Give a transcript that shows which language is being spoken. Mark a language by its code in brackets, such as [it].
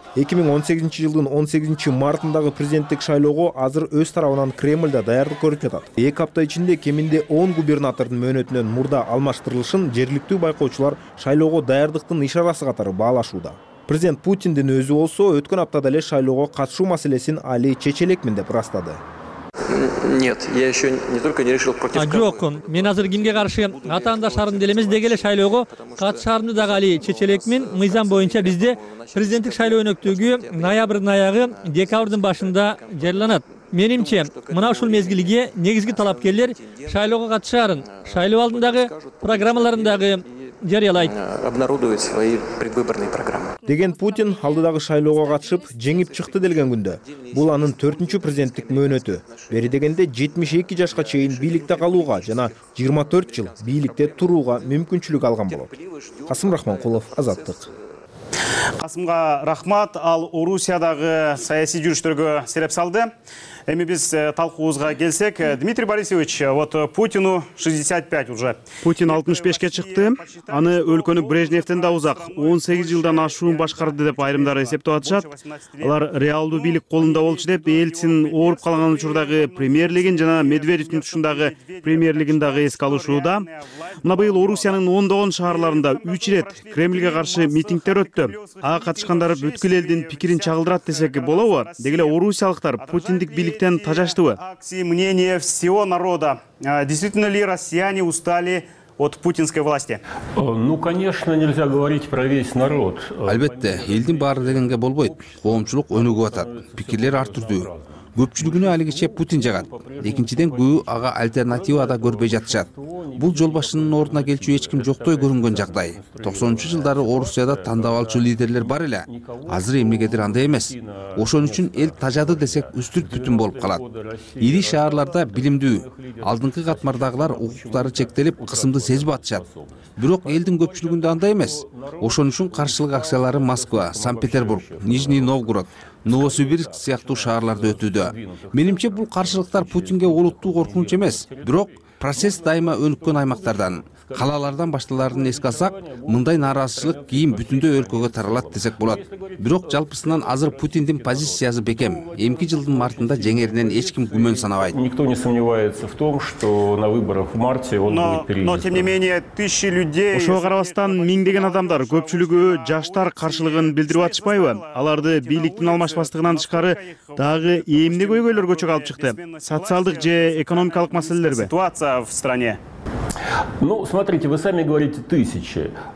[ky] 2018 жылдын 18 мартындагы президенттик шайлоого азыр өз тарабынан Кремльде даярдык көрүп жатат. Эки апта ичинде кеминде 10 губернатордун мөөнөтүнөн мурда алмаштырылышын жергиликтүү байкоочулар шайлоого даярдыктын ишарасы катары баалашууда. Президент Путиндин өзү болсо өткөн аптада эле шайлоого катышуу маселесин али чече элекмин деп ырастады. [ru] Нет, я еще не только не решил против. [ky] А жок, мен азыр кимге каршы атаандаштарым деле эмес, деги эле шайлоого катышаарымды дагы али чече элекмин. Мыйзам боюнча бизде президенттик шайлоо өнөктүгү ноябрдын аягы, декабрдын башында жарыяланат. Менимче, мына ушул мезгилге негизги талапкерлер шайлоого катышаарын, шайлоо алдындагы программаларындагы жарыялайт. [ru] Обнародовать свои предвыборные программы. [ky] Деген Путин алдыдагы шайлоого катышып, жеңип чыкты деген күндө. Бул анын 4-чү президенттик мөөнөтү. Бери дегенде 72 жашка чейин бийликте калууга жана 24 жыл бийликте турууга мүмкүнчүлүк алган болот. Касым Рахманкулов, Азаттык. Касымга рахмат, ал Орусиядагы саясий жүрүштөргө себеп салды. Эми биз талкуубузга келсек, Дмитрий Борисович, [ru] вот Путину 65 уже. [ky] Путин 65-ке чыкты. Аны өлкөнү Брежневден да узак 18 жылдан ашуун башкарды деп айрымдар эсептеп атышат. Алар реалдуу бийлик колунда болчу деп Ельцин ооруп калган учурдагы премьерлигин жана Медведевдин тушундагы премьерлигин дагы эске алышууда. Мына быйыл Орусиянын ондогон шаарларында 3 ирет Кремльге каршы митингтер өттү. Ага катышкандар бүткүл элдин пикирин чагылдырат десек болобу? Деги эле орусиялыктар Путиндик бийликтен тажаштыбы? [ru] Акции мнения всего народа. Действительно ли россияне устали от путинской власти? Ну, конечно, нельзя говорить про весь народ. [ky] Албетте, элдин баары дегенге болбойт. Коомчулук өнүгүп атат. Пикирлер ар түрдүү. Көпчүлүгүнө алигиче Путин жагат. Экинчиден, күйүү ага альтернатива да көрбөй жатышат. Бул жол башынын ордуна келчү эч ким жоктой көрүнгөн жагдай. 90-чу жылдары Орусияда тандабалчу лидерлер бар эле. Азыр эмнегедир андай эмес. Ошон үчүн эл тажады десек үстүрт бүтүн болуп калат. Ири шаарларда билимдүү, алдыңкы катмардагылар укуктары чектелип, кысымды сезип атышат. Бирок элдин көпчүлүгүндө андай эмес. Ошон үчүн каршылык акциялары Москва, Санкт-Петербург, Нижний Новгород, Новосибирск сыяктуу шаарларда өтүүдө. Менимче бул каршылыктар Путинге олуттуу коркунуч эмес, бирок процесс дайыма өнүккөн аймактардан, калалардан башталарын эске алсак, мындай нааразычылык кийин бүтүндөй өлкөгө таралат десек болот. Бирок жалпысынан азыр Путиндин позициясы бекем. Эмки жылдын мартында жеңеринен эч ким күмөн санабайт. [ru] Никто не сомневается в том, что на выборах в марте он будет переизбран. Но тем не менее, тысячи людей. [ky] Ошого карабастан миңдеген адамдар, көпчүлүгү жаштар каршылыгын билдирип атышпайбы? Аларды бийликтин алмашпастыгынан тышкары дагы эмне көйгөйлөргө чогуу алып чыкты? Социалдык же экономикалык маселелерби? [ru] Ситуация в стране. Ну, смотрите, вы сами говорите тысячи.